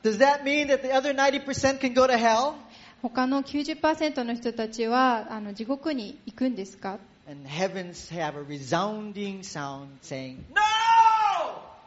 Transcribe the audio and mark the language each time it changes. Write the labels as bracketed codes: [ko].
[en] Does that mean that the other 90% can go to hell? [ja] 他の 90% の人たちはあの地獄に行くんですか。 [en] And heavens have a resounding sound saying, No!